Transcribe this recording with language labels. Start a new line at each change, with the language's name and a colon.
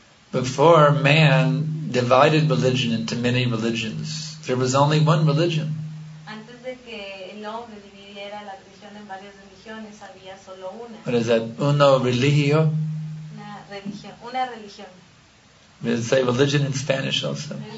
English: Before man divided religion into many religions, there was only one religion.
Spanish: Antes de que el hombre dividiera la religión en varias religiones, había solo una.
English: What is that?
Spanish: Uno religio? Una religión.
English: We say religion in Spanish also.